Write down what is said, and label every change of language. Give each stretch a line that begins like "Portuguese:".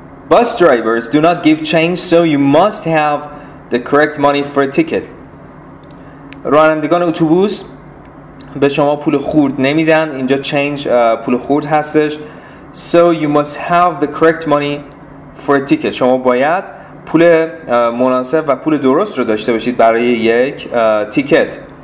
English: Bus drivers do not give change so you must have the correct money for a ticket.
Persian: رانندگان اتوبوس به شما پول خورد نمیدن، اینجا change پول خورد هستش.
English: So you must have the correct money for a ticket.
Persian: شما باید پول مناسب و پول درست رو داشته باشید برای یک تیکت.